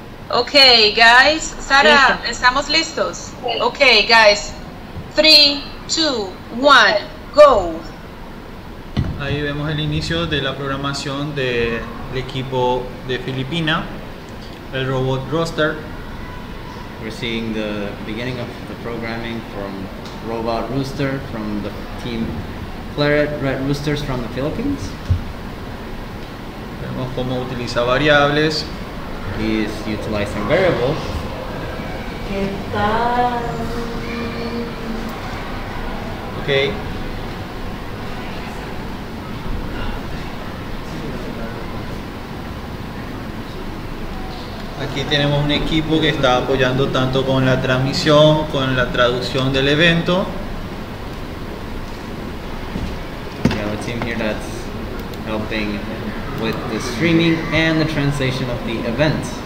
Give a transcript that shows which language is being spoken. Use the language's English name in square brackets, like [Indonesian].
[English] Okay, guys. Sara, [Spanish] listo. ¿Estamos listos? [English] Okay, guys. 3, 2, 1, go. [Spanish] Ahí vemos el inicio de la programación del equipo de Filipina, el robot Rooster. [English] We're seeing the beginning of the programming from robot Rooster from the team Claret Red Roosters from the Philippines. [Spanish] Vemos cómo utiliza variables. [English] He is utilizing variables. [Spanish] ¿Qué tal? [English] Okay. [Spanish] Aquí tenemos un equipo que está apoyando tanto con la transmisión, con la traducción del evento. [English] We have a team here that's helping with the streaming and the translation of the event.